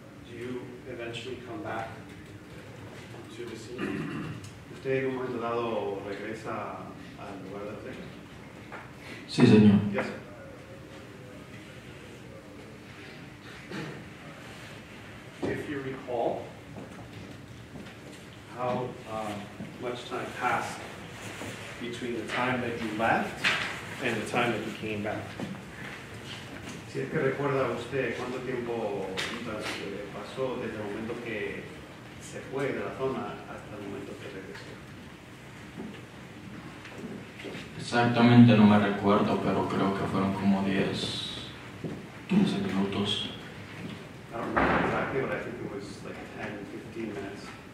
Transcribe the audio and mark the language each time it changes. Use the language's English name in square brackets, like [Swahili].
[English] Do you eventually come back to the scene? [Spanish] ¿Usted en un momento dado regresa al lugar de tren? Sí, señor. [English] Yes, sir. If you recall, how much time passed between the time that you left and the time that you came back? [Spanish] Si es que recuerda usted cuánto tiempo pasó desde el momento que se fue de la zona hasta el momento que regresó. Exactamente no me recuerdo, pero creo que fueron como 10, 15 minutos. [English] I don't remember exactly, but I think it was like 10, 15 minutes.